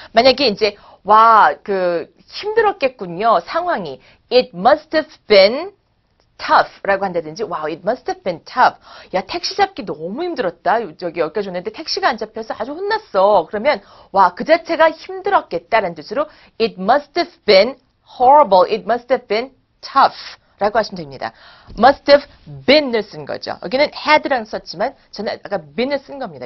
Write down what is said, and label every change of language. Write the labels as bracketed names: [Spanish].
[Korean] 만약에 이제 와, 그 힘들었겠군요. 상황이. [English] It must have been tough라고 [Korean] 한다든지, [English] wow, it must have been tough. [Korean] 야, 택시 잡기 너무 힘들었다. 저기 여기까지 왔는데 택시가 안 잡혀서 아주 혼났어. 그러면, 와, 그 자체가 힘들었겠다라는 뜻으로 [English] it must have been horrible, it must have been tough [Korean] 라고 하시면 됩니다. must have been을 쓴 거죠. 여기는 had랑 썼지만 저는 아까 been을 쓴 겁니다.